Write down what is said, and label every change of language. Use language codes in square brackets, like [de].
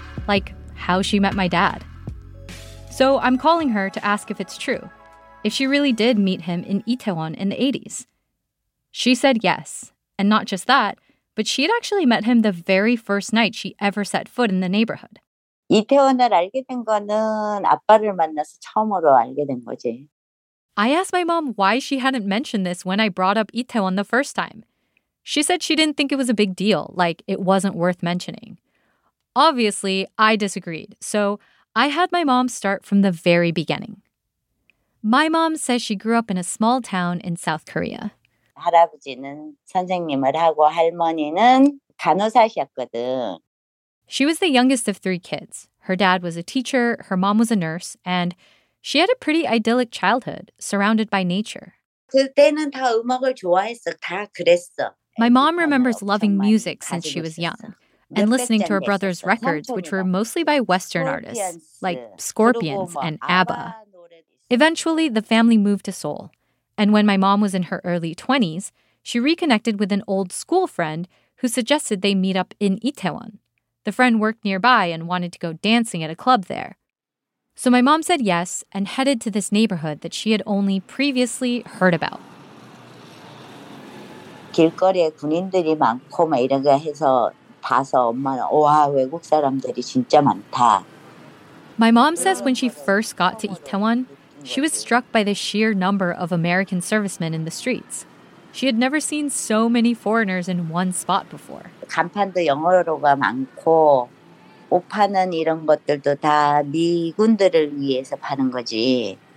[en] Like how she met my dad. So I'm calling her to ask if it's true. If she really did meet him in Itaewon in the 80s. She said yes. And not just that, but she had actually met him the very first night she ever set foot in the neighborhood. [ko] 이태원을 알게 된 거는 아빠를 만나서 처음으로 알게 된 거지. [en] I asked my mom why she hadn't mentioned this when I brought up Itaewon the first time. She said she didn't think it was a big deal, like it wasn't worth mentioning. Obviously, I disagreed, so I had my mom start from the very beginning. My mom says she grew up in a small town in South Korea. [ko] 할아버지는 선생님을 하고 할머니는 간호사셨거든. [en] She was the youngest of three kids. Her dad was a teacher, her mom was a nurse, and she had a pretty idyllic childhood, surrounded by nature. [ko] 그때는 다 음악을 좋아했어, 다 그랬어. [en] My mom remembers loving music since she was young, and listening to her brother's records, which were mostly by Western artists, like Scorpions and ABBA. Eventually, the family moved to Seoul. And when my mom was in her early 20s, she reconnected with an old school friend who suggested they meet up in Itaewon. The friend worked nearby and wanted to go dancing at a club there. So my mom said yes and headed to this neighborhood that she had only previously heard about. [ko] 길거리에 군인들이 많고 막 이런 거 해서 봐서 엄마는 와 외국 사람들이 진짜 많다. [en] My mom says when she first got to Itaewon, she was struck by the sheer number of American servicemen in the streets. She had never seen so many foreigners in one spot before. [ko] 간판도 영어로가 많고 옷 파는 이런 것들도 다 미군들을 위해서 파는 거지.